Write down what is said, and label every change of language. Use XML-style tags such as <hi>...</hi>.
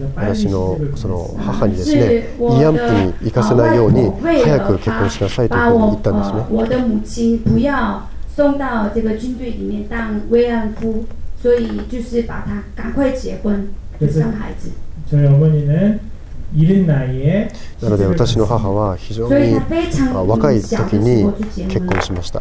<ja>私 の, その母にですね、慰安婦に行かせないように早く結婚しなさいというふうに言ったんですね。</ja> <zh>我的母亲不要送到这个军队里面当慰安婦，所以就是把她赶快结婚生孩子。</zh> <ko>저희어머니는이른나이에</ko> <ja>なので私の母は非常に若い時に結婚しました。</ja>